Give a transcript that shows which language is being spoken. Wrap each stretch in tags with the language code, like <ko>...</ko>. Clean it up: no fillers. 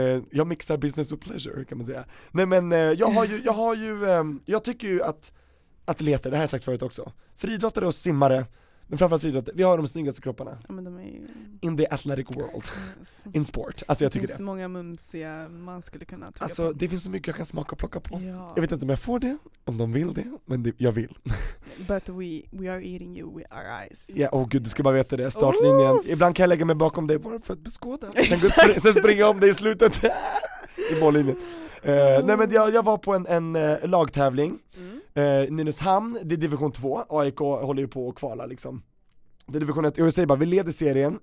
<sv>Jag mixar</sv> <en>business with pleasure,</en> <sv>kan man säga. Nej, men jag tycker ju att atleter, det här har jag sagt förut också, friidrottare och simmare, men framförallt friidrottare, vi har de snyggaste kropparna. Ja, men de är ju...</sv> <en>in the athletic world. Yes. In sport.</en> <sv>Alltså jag tycker det. Det finns så många mumsiga man skulle kunna tycka. Alltså det finns så mycket jag kan smaka och plocka på. Ja. Jag vet inte om jag får det, om de vill det, men det, jag vill.</sv> <en>But we are eating you with our eyes.</en> <sv>Ja, yeah, oh gud, du ska bara veta det. Startlinjen. Oof. Ibland kan jag lägga mig bakom dig bara för att beskåda. Sen springer jag om dig i slutet. I mållinjen. Nej, men jag var på en lagtävling. Mm. Nynäshamn, det är division 2. AIK håller ju på att kvala liksom. Det är division 1. Jag säger bara, vi leder serien.</sv>